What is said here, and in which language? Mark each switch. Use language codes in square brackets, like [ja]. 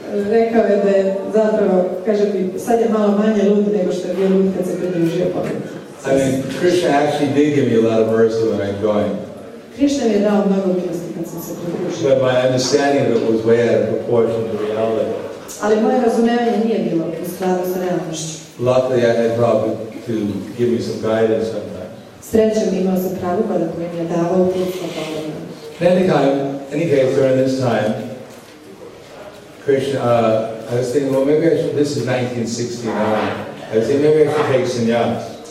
[sr] Rekao je da je zapravo, kaže mi, sad je malo manje lud nego što je bio lud kad se pridružio pokretu. [en] I mean, Krishna actually did give me a lot of mercy when I joined. [sr] Krishna mi je dao mnogo milosti kad sam se pridružio. [en] But my understanding of it was way out of proportion to reality. [sr] Ali moje razumevanje nije bilo u skladu sa realnošću. [en] Luckily I had Prabhupada to give me some guidance sometimes. [sr] Srećom imao sam Prabhupada koji mi je davao uputstva pomoć. [en] Any case, during this time, Krishna, I was thinking, well, maybe I should, this is 1969, I was thinking, maybe I should take sannyas.